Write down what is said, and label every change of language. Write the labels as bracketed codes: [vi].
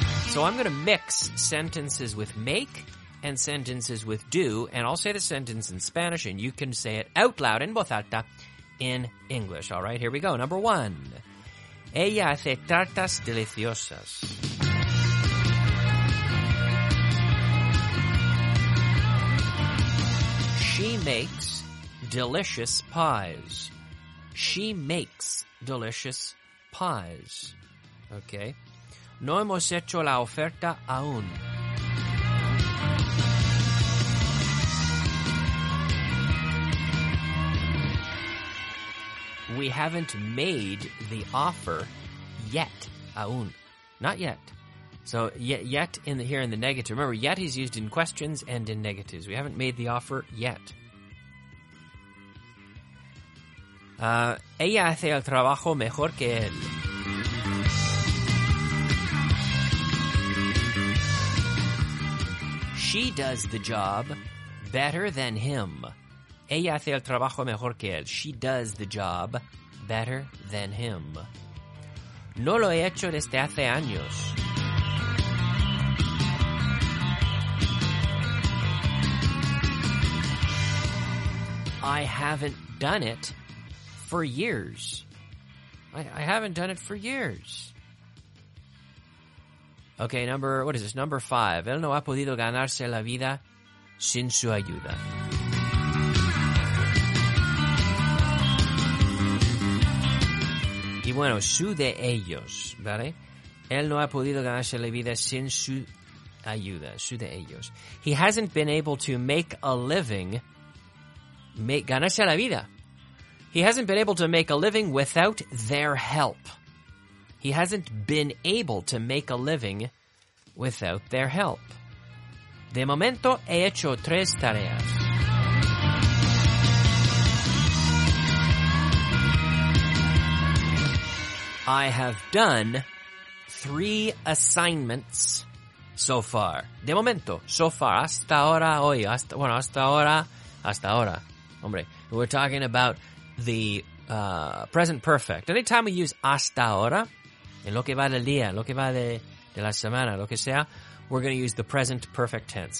[en] So I'm going to mix sentences with make and sentences with do, and I'll say the sentence in Spanish, and you can say it out loud, [es] en voz alta, [en] in English. All right, here we go. Number one. [es] Ella hace tartas deliciosas. [en] She makes delicious pies. She makes delicious pies. Okay. [es] No hemos hecho la oferta aún. [en] We haven't made the offer yet. Aún. Not yet. So yet in the, here in the negative. Remember, yet is used in questions and in negatives. We haven't made the offer yet. [es] Ella hace el trabajo mejor que él. [en] She does the job better than him. [es] Ella hace el trabajo mejor que él. [en] She does the job better than him. [es] No lo he hecho desde hace años. [en] I haven't done it for years. I haven't done it for years. Okay, number, what is this? Number five. [es] Él no ha podido ganarse la vida sin su ayuda. Y bueno, su de ellos, ¿vale? Él no ha podido ganarse la vida sin su ayuda, su de ellos. [en] He hasn't been able to make a living, [es] ganarse la vida. [en] He hasn't been able to make a living without their help. He hasn't been able to make a living without their help. [es] De momento, he hecho tres tareas. [en] I have done three assignments so far. [es] De momento, [en] so far, [es] hasta ahora, hoy, hasta, bueno, hasta ahora. [en] Hombre, we're talking about the present perfect. Anytime we use [es] hasta ahora, en lo que va del día, en lo que va de la semana, lo que sea, [en] we're going to use the present perfect tense.